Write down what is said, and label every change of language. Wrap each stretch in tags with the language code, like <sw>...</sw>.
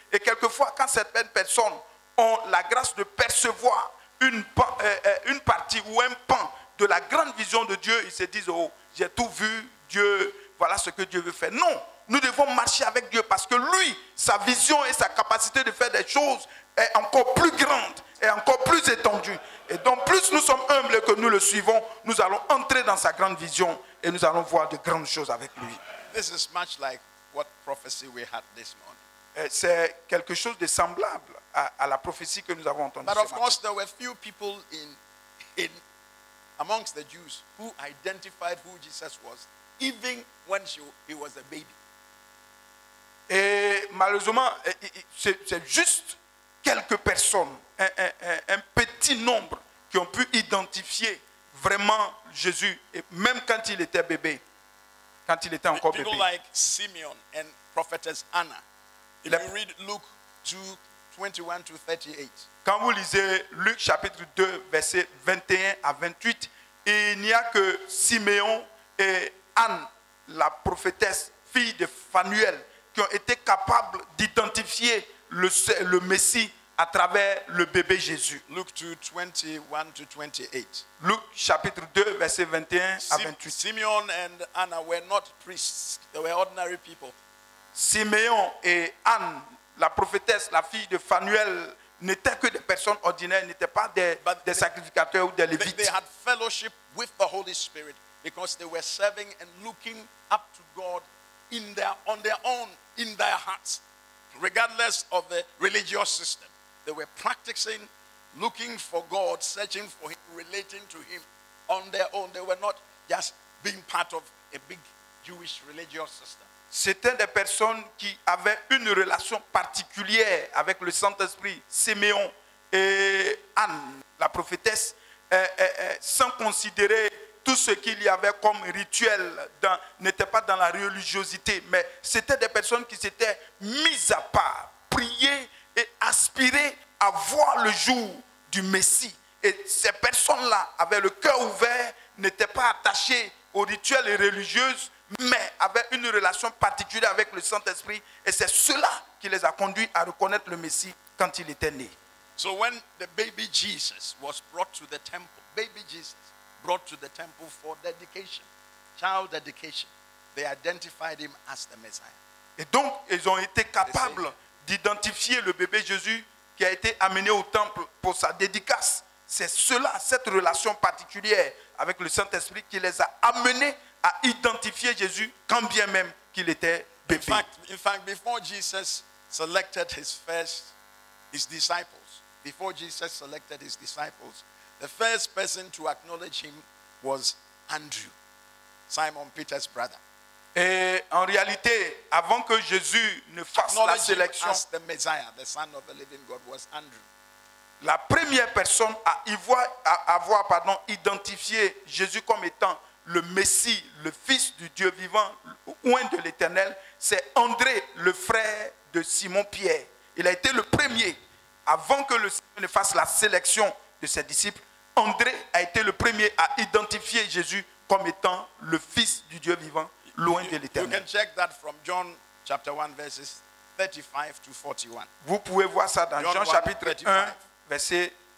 <fr>Et quelquefois, quand certaines personnes ont la grâce de percevoir une partie ou un pan de la grande vision de Dieu, ils se disent, oh, j'ai tout vu, Dieu, voilà ce que Dieu veut faire. Non! Nous devons marcher avec Dieu parce que lui, sa vision et sa capacité de faire des choses est encore plus grande et encore plus étendue. Et donc, plus nous sommes humbles que nous le suivons, nous allons entrer dans sa grande vision et nous allons voir de grandes choses avec lui.</fr> <en>This is much like what prophecy we had this morning.</en> <fr>C'est quelque chose de semblable à la prophétie que nous avons entendue.</fr> <en>But of course, there were few people in amongst the Jews who identified who Jesus was, even when he was a baby.</en> <fr>Et malheureusement, c'est juste quelques personnes, un petit nombre, qui ont pu identifier vraiment Jésus, et même quand il était bébé, quand il était encore</fr> <en>people</en> <fr>bébé.</fr> <en>People like Simeon and prophetess Anna. If you read Luke 2:21-38.</en> <fr>Quand vous lisez Luc chapitre 2, verset 21 à 28, il n'y a que Simeon et Anne, la prophétesse, fille de Phanuel, qui ont été capables d'identifier le Messie à travers le bébé Jésus.</fr> <en>Luke 2:21-28.</en> <fr>Luke chapitre 2, verset 21 à 28.</fr> <en>Simeon and Anna were not priests, they were ordinary people.</en> <fr>Simeon et Anne, la prophétesse, la fille de Phanuel, n'étaient que des personnes ordinaires, n'étaient pas des sacrificateurs ou des lévites.</fr> <en>They had fellowship with the Holy Spirit because they were serving and looking up to God on their own, in their hearts, regardless of the religious system. They were practicing, looking for God, searching for Him, relating to Him on their own. They were not just being part of a big Jewish religious system.</en> <fr>C'était des personnes qui avaient une relation particulière avec le Saint-Esprit, Simeon et Anne, la prophétesse, sans considérer tout ce qu'il y avait comme rituel, n'était pas dans la religiosité, mais c'était des personnes qui s'étaient mises à part, priées et aspirées à voir le jour du Messie. Et ces personnes-là, avec le cœur ouvert, n'étaient pas attachées aux rituels et religieuses, mais avaient une relation particulière avec le Saint-Esprit, et c'est cela qui les a conduits à reconnaître le Messie quand il était né.</fr> <en>So when the baby Jesus was brought to the temple, baby Jesus brought to the temple for dedication, child dedication, they identified him as the Messiah.</en> <fr>Et donc ils ont été capables d'identifier le bébé Jésus qui a été amené au temple pour sa dédicace. C'est cela, cette relation particulière avec le Saint-Esprit qui les a amenés à identifier Jésus quand bien même qu'il était bébé.</fr> <en>In fact, before Jesus selected his disciples, the first person to acknowledge him was Andrew, Simon Peter's brother.</en> <fr>Et en réalité, avant que Jésus ne fasse la sélection,</fr> <en>the Messiah, the son of the living God, was Andrew.</en> <fr>La première personne à avoir identifié Jésus comme étant le Messie, le Fils du Dieu vivant, loin de l'Éternel, c'est André, le frère de Simon-Pierre. Il a été le premier, avant que le Seigneur ne fasse la sélection de ses disciples, André a été le premier à identifier Jésus comme étant le Fils du Dieu vivant, loin de l'Éternel.</fr> <en>You can check that from John chapter 1, verses 35 to 41.</en> <fr>Vous pouvez voir ça dans Jean chapitre 1, verset</fr>